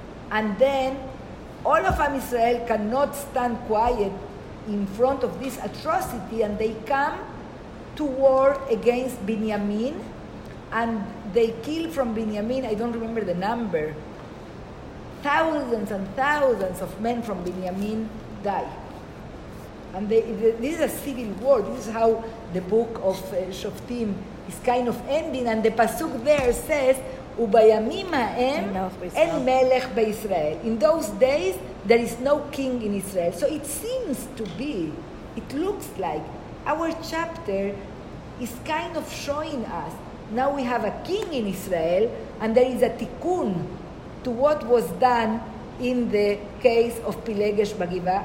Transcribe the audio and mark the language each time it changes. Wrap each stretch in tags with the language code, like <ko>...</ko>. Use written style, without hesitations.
<en>And then all of Am Israel cannot stand quiet in front of this atrocity, and they come to war against Binyamin, and they kill from Binyamin, I don't remember the number, thousands and thousands of men from Binyamin die. And this is a civil war. This is how the book of Shoftim is kind of ending, and the Pasuk there says,</en> <he>ובימים ההם אין מלך בישראל.</he> <en>In those days, there is no king in Israel. So it seems to be, it looks like, our chapter is kind of showing us, now we have a king in Israel, and there is a tikkun to what was done in the case of Pilegesh Bagiva.</en>